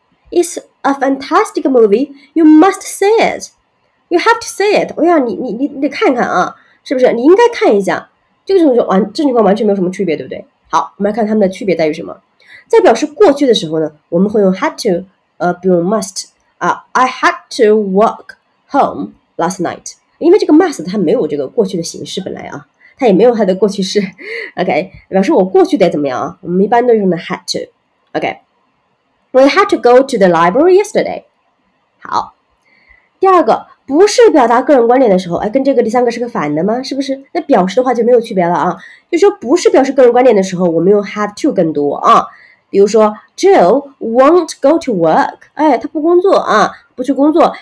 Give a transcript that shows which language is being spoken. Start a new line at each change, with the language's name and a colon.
English: It's a fantastic movie, you must see it, you have to see it。
Chinese: 哎呀，你得看看啊，是不是？你应该看一下，这个时候就完，这句话完全没有什么区别，对不对？好，我们来看它们的区别在于什么。在表示过去的时候呢，我们会用 had to 不用 must 啊。
English: I had to walk home last night，
Chinese: 因为这个 must 它没有这个过去的形式，本来啊它也没有它的过去式。 OK， 表示我过去得怎么样啊，我们一般都用的 had to。
English: OK， We had to go to the library yesterday。
Chinese: 好，第二个不是表达个人观点的时候，哎，跟这个第三个是个反的吗？是不是？那表示的话就没有区别了啊。就说不是表示个人观点的时候，我们用 have to 更多啊。比如说
English: Jill won't go to work，
Chinese: 哎，她不工作啊，不去工作。